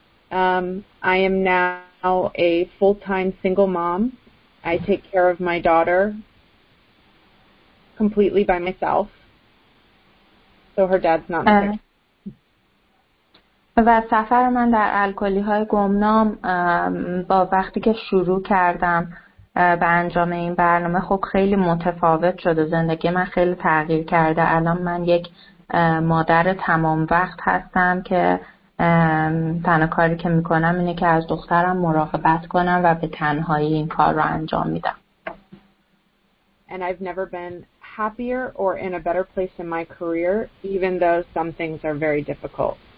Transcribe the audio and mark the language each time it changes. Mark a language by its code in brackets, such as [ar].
[en] I am now a full-time single mom. I take care of my daughter completely by myself. So her dad's not there. [fa] و سفر من در الکلی‌های گمنام با وقتی که شروع کردم به انجام این برنامه خب خیلی متفاوت شده. زندگی من خیلی تغییر کرده. الان من یک مادر تمام وقت هستم که تنها کاری که میکنم اینه که از دخترم مراقبت کنم و به تنهایی این کار رو انجام میدم. [en] And I've never been happier or in a better place in my career, even though some things are very difficult.